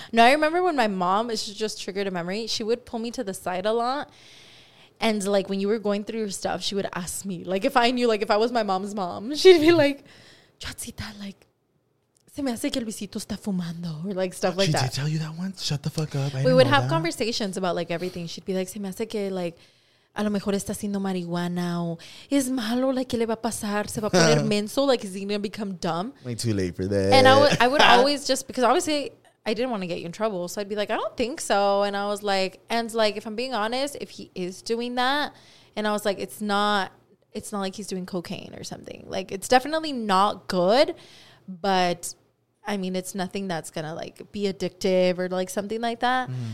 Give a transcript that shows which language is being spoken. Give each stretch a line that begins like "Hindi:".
English: No, I remember when my mom, it just triggered a memory. She would pull me to the side a lot. And like when you were going through your stuff, she would ask me, like if I knew, like if I was my mom's mom, she'd be like, Chatsita, like,
Spanish: se me hace que Luisito está fumando,
English: or like stuff like she that. She did tell you that once? Shut the fuck up. We would have that. Conversations about like everything. She'd be like,
Spanish: se me hace que, like, a lo mejor está haciendo marihuana o es malo, like, ¿qué le va a pasar? ¿Se va a poner menso?
English: Like, is he going to become dumb? Way too late for that. And I would always just, because obviously I didn't want to get you in trouble. So I'd be like, I don't think so. And I was like, and like, if I'm being honest, if he is doing that, and I was like, it's not like he's doing cocaine or something. Like, it's definitely not good, but I mean, it's nothing that's going to like be addictive or like something like that. Mm.